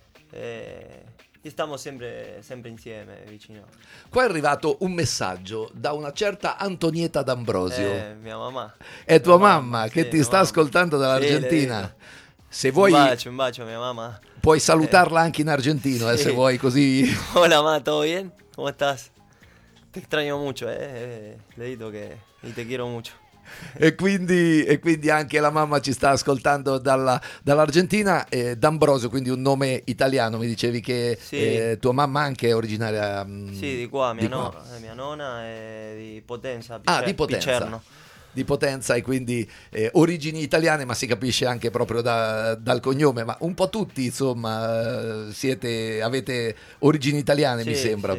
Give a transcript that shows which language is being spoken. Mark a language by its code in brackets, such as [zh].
[it] E stiamo sempre, sempre insieme, vicino. Qua è arrivato un messaggio da una certa Antonietta D'Ambrosio. Mia mamma. È tua mamma, che sì, ti sta mamma. Ascoltando dall'Argentina. Sì, se vuoi, un bacio a mia mamma. Puoi salutarla anche in argentino, sì. Se vuoi, così. [es] Hola, mamma, ¿todo bien? ¿Cómo estás? Te extraño mucho, [it] le dico che [es] te quiero mucho. [it] E quindi anche la mamma ci sta ascoltando dall'Argentina, D'Ambrosio, quindi un nome italiano, mi dicevi che sì. Tua mamma anche è originaria sì, di qua, mia nonna è di Potenza, Picerno. Di Potenza e quindi origini italiane, ma si capisce anche proprio dal cognome, ma un po' tutti insomma avete origini italiane, sì, mi sembra, sì.